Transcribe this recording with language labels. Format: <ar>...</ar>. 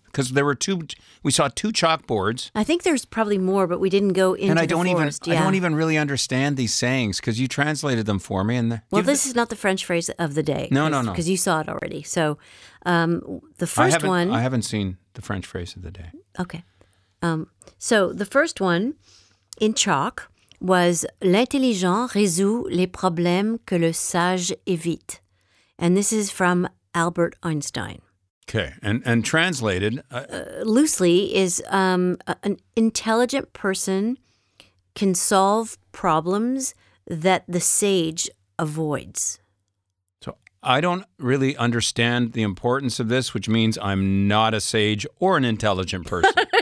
<en>Because there were two... We saw two chalkboards. I think there's probably more, but we didn't go into and I the don't forest. Even, yeah. I don't even really understand these sayings, because you translated them for me. And the, well, this is not the French phrase of the day. No. Because you saw it already. So the first I haven't seen the French phrase of the day. Okay. So the first one in chalk was,</en> <fr>l'intelligent résout les problèmes que le sage évite.</fr> <en>And this is from Albert Einstein. Okay, and translated? Loosely is an intelligent person can solve problems that the sage avoids. So I don't really understand the importance of this, which means I'm not a sage or an intelligent person.</en>